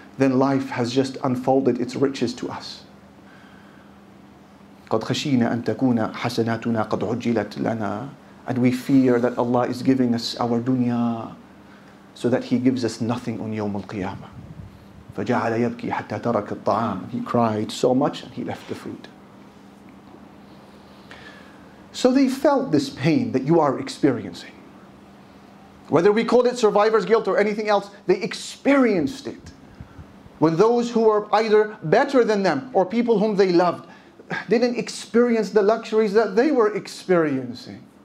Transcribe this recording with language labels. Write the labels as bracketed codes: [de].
[en] Then life has just unfolded its riches to us. [ar] قَدْ خَشِينَ أَن تَكُونَ حَسَنَاتُنَا قَدْ عُجِّلَتْ لَنَا. [en] And we fear that Allah is giving us our dunya so that He gives us nothing on Yawm al-Qiyamah. [ar] فَجَعَلَ يَبْكِي حَتَّى تَرَكَ الطَّعَامِ. [en] He cried so much and he left the food. So they felt this pain that you are experiencing. Whether we call it survivor's guilt or anything else, they experienced it. When those who were either better than them or people whom they loved didn't experience the luxuries that they were experiencing.